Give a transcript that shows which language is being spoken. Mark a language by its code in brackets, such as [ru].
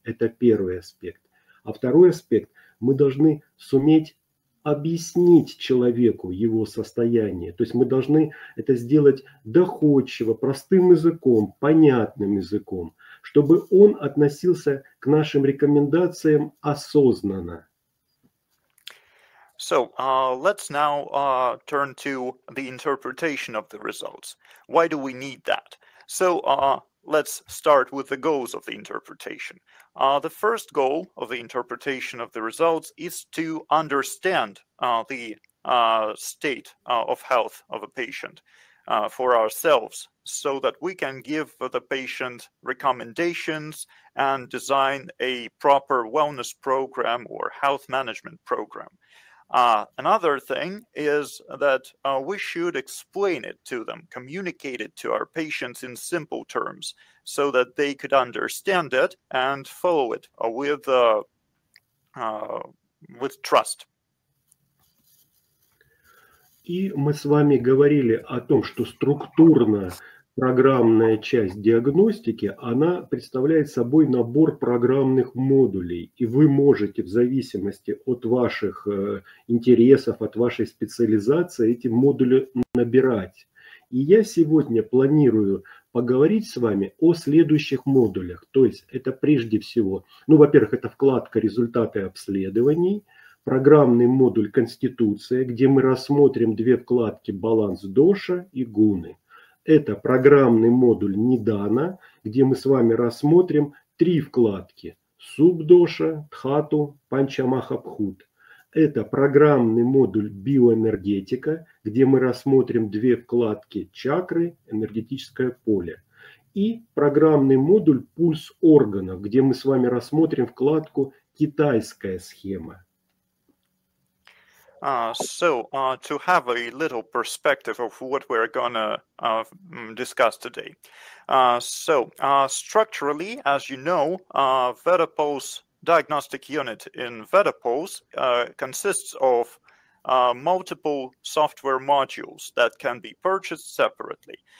[ru] Это первый аспект. А второй аспект, мы должны суметь объяснить человеку его состояние. То есть мы должны это сделать доходчиво, простым языком, понятным языком, чтобы он относился к нашим рекомендациям осознанно. [en] So, let's now turn to the interpretation of the results. Why do we need that? So, let's start with the goals of the interpretation. The first goal of the interpretation of the results is to understand the state of health of a patient for ourselves, so that we can give the patient recommendations and design a proper wellness program or health management program. Another thing is that we should explain it to them, communicate it to our patients in simple terms, so that they could understand it and follow it with trust. [ru] И мы с вами говорили о том, что структурно программная часть диагностики, она представляет собой набор программных модулей, и вы можете в зависимости от ваших интересов, от вашей специализации эти модули набирать. И я сегодня планирую поговорить с вами о следующих модулях. То есть это прежде всего, ну, во-первых, это вкладка «Результаты обследований», программный модуль «Конституция», где мы рассмотрим две вкладки «Баланс ДОШа» и «ГУНы». Это программный модуль «Недана», где мы с вами рассмотрим три вкладки «Субдоша», «Тхату», «Панчамахабхут». Это программный модуль «Биоэнергетика», где мы рассмотрим две вкладки «Чакры», «Энергетическое поле». И программный модуль «Пульс органов», где мы с вами рассмотрим вкладку «Китайская схема». [en] To have a little perspective of what we're gonna discuss today. Structurally, as you know, VetaPulse diagnostic unit in VetaPulse consists of multiple software modules that can be purchased separately.